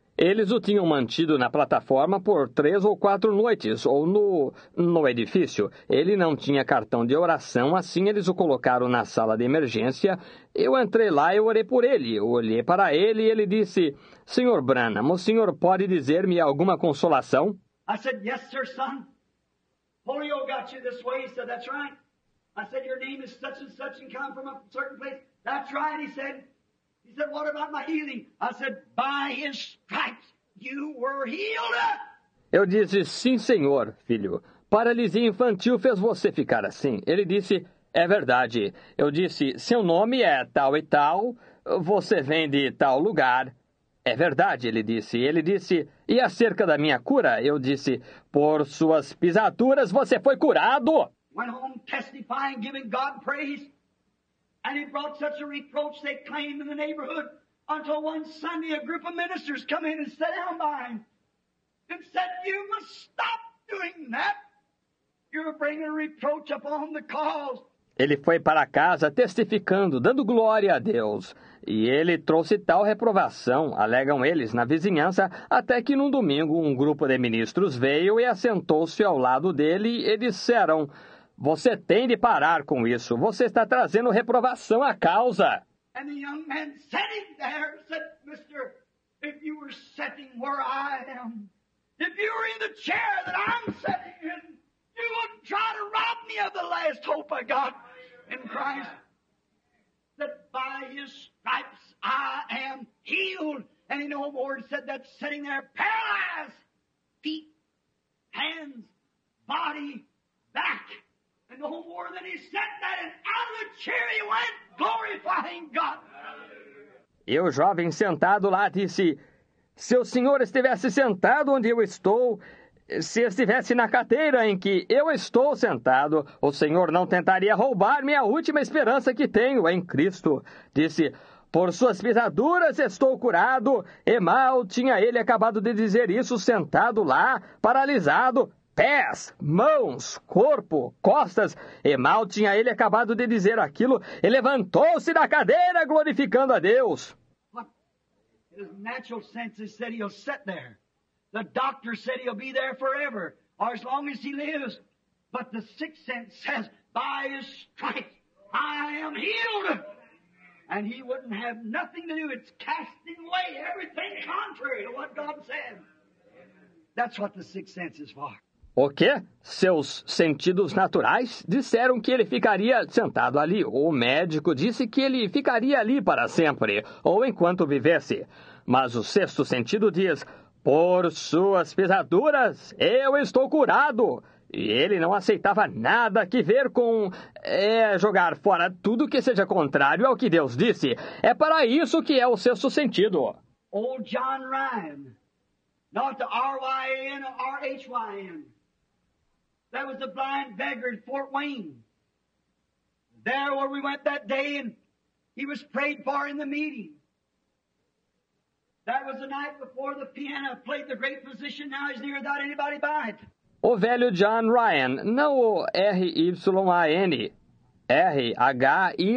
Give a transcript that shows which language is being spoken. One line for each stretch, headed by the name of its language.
Portuguese: Eles o tinham mantido na plataforma por 3 ou 4 noites, ou no edifício. Ele não tinha cartão de oração, assim eles o colocaram na sala de emergência. Eu entrei lá e orei por ele. Eu olhei para ele e ele disse, Senhor Branham, o senhor pode dizer-me alguma consolação?
English: I said, yes, sir, son. Polio got you this way. He said, that's right. I said, your name is such and such and come from a certain place. That's right, he said. He said, what about my healing? I said, by his stripes you were healed.
Portuguese: Eu disse, sim, senhor, filho. Paralisia infantil fez você ficar assim. Ele disse, é verdade. Eu disse, seu nome é tal e tal, você vem de tal lugar. É verdade, ele disse. Ele disse, e acerca da minha cura? Eu disse, por suas pisaduras você foi curado.
English: Went home testifying, giving God praise. And he brought such a reproach they claimed in the neighborhood until one Sunday a group of ministers come in and sat down by him and said, you must stop doing that. You're bringing a reproach upon the cause.
Portuguese: Ele foi para casa testificando, dando glória a Deus. E ele trouxe tal reprovação, alegam eles, na vizinhança, até que num domingo um grupo de ministros veio e assentou-se ao lado dele e disseram, você tem de parar com isso. Você está trazendo reprovação à causa.
English: And the young man sitting there said, mister, if you were sitting where I am, if you were in the chair that I'm sitting in, you wouldn't try to rob me of the last hope I got in Christ. That by his stripes I am healed. And the old Lord said that sitting there paralyzed, feet, hands, body, back. No more than he said that, and out of the chair he went, glorifying God.
Portuguese: E o jovem sentado lá disse, se o senhor estivesse sentado onde eu estou, se estivesse na cadeira em que eu estou sentado, o senhor não tentaria roubar-me a última esperança que tenho em Cristo. Disse, por suas pisaduras estou curado. E mal tinha ele acabado de dizer isso, sentado lá, paralisado. Pés, mãos, corpo, costas. E mal tinha ele acabado de dizer aquilo, e levantou-se da cadeira glorificando a Deus.
English: His natural senses said he'll sit there. The doctor said he'll be there forever, or as long as he lives. But the sixth sense says, by his stripes I am healed. And he wouldn't have nothing to do. It's casting away everything contrary to what God said. That's what the sixth sense is for.
Portuguese: O quê? Seus sentidos naturais disseram que ele ficaria sentado ali. O médico disse que ele ficaria ali para sempre, ou enquanto vivesse. Mas o sexto sentido diz, por suas pisaduras, eu estou curado. E ele não aceitava nada que ver com jogar fora tudo que seja contrário ao que Deus disse. É para isso que é o sexto sentido.
English: O John Ryan, not R-Y-N or H-Y-N. That was a blind beggar in Fort Wayne. There where we went that day, and he was prayed for in the meeting. That was the night before the piano played the great physician. Now he's near without anybody by it.
Portuguese: O velho John Ryan, não o R-Y-A-N, R-H-Y-N.